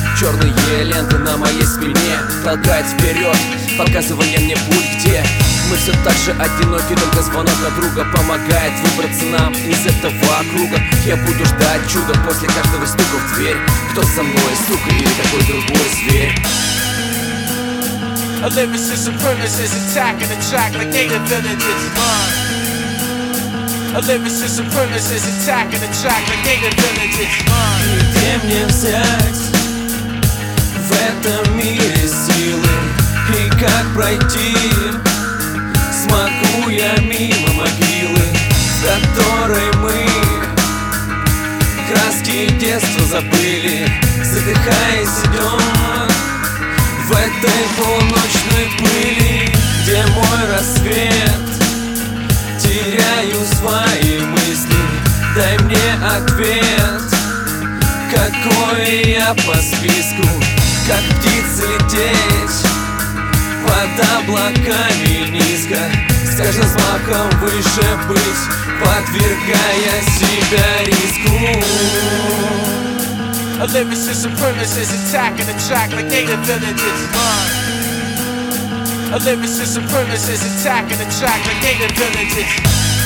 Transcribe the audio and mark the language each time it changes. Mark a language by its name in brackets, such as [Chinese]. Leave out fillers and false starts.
[Russian] Черные ленты на моей спине толкают вперед, показывая мне путь где. Мы все так же одиноки, только звонок на друга помогает выбраться нам из этого круга. Я буду ждать чуда после каждого стука в дверь. Кто со мной, сука, или какой другой зверь? [English] A lyricist, supremacist, attacking the track like native villages. A lyricist, supremacist, attacking the track like native villages. [Russian] Где мне взять в этом мире силы? И как пройти? Смогу я мимо могилы, в которой мы краски детства забыли, задыхаясь идем. В этой полуночной пыли, где мой рассвет, теряю свои мысли. Дай мне ответ, какой я по списку. Как птица лететь под облаками низко, с каждым взмахом выше быть, подвергая себя риску. [English] A lyricist, supremacist, attacking the track like native villages. A lyricist, supremacist, attacking the track like native villages.